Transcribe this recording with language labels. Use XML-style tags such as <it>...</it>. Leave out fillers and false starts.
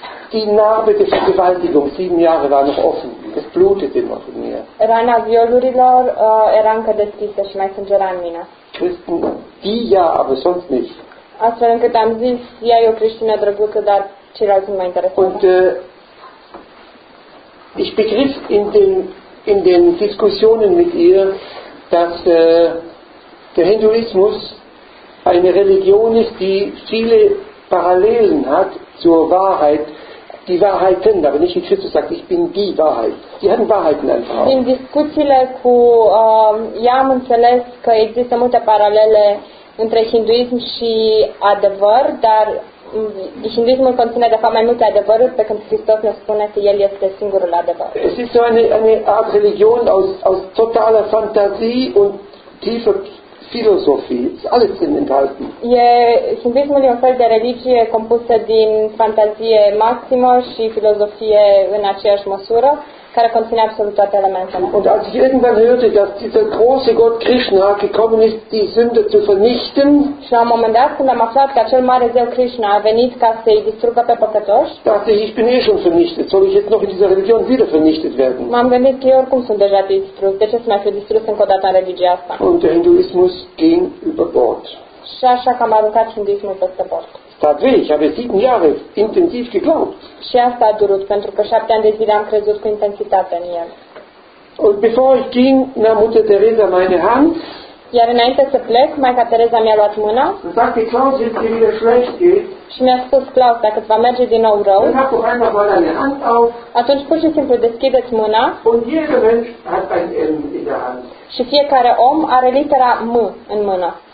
<de>Die Narbe der Vergewaltigung, 7 Jahre war noch offen. Es blutete immer von mir.</de> <ro>Rana violurilor era încă deschisă și mai sângera în mine.</ro> <de>Christen, die ja, aber sonst nicht.</de> <ro>Astfel încât am zis, ea e o creștină drăguță, dar ceilalți nu mă interesează.</ro> <de>Und ich begriff in den Diskussionen mit ihr, dass der Hinduismus eine Religion ist, die viele Parallelen hat zur Wahrheit. Die Wahrheiten, aber nicht wie Christus sagt, ich bin die Wahrheit. Die hatten Wahrheiten einfach.</de> <ro>In discuțiile cu ea am înțeles că există multe paralele între hinduism și adevăr, dar hinduismul conține de fapt mai multe adevăruri, pe când Hristos ne spune că El este singurul adevăr.</ro> <de>Es ist so eine Art Religion aus totaler Fantasie und tiefer Philosophie, ist alles drin enthalten.</de> <ro>E hinduismul e un fel de religie compusă din fantazie maximă și filozofie în aceeași măsură, care conține absolut toate elementele.</ro> <de>Und als ich irgendwann hörte, dass dieser große Gott Krishna gekommen ist, die Sünde zu vernichten,</de> <ro>și la un moment dat, când am aflat că acel mare zeu Krishna a venit ca să-i distrugă pe păcătoși,</ro> <de>dachte ich, ich bin eh schon vernichtet, soll ich jetzt noch in dieser Religion wieder vernichtet werden?</de> <ro>M-am gândit că eu oricum sunt deja distrus, de ce să mai fiu distrus încă o dată în religia asta?</ro> <de>Und der Hinduismus ging über Bord.</de> <ro>Și așa că am aruncat hinduismul peste bord.</ro> <de>Tatsächlich, habe 7 Jahre intensiv geglaubt.</de> <ro>Și asta a durut, pentru că 7 ani de zile am crezut cu intensitate în el.</ro> <de>Und bevor ich ging, nahm Mutter Teresa meine Hand.</de> <ro>Iar înainte să plec, Maica Teresa mi-a luat mâna.</ro> <de>Und sagte, Klaus, wenn es dir wieder schlecht geht.</de> <ro>Și mi-a spus, Klaus, dacă îți va merge din nou rău.</ro> <de>Dann hab doch einmal mal deine Hand auf.</de> <ro>Atunci pur și simplu deschideți mâna.</ro> <de>Und jeder Mensch hat ein M in der Hand.</de> <ro>Și fiecare om are litera M în mână.</ro>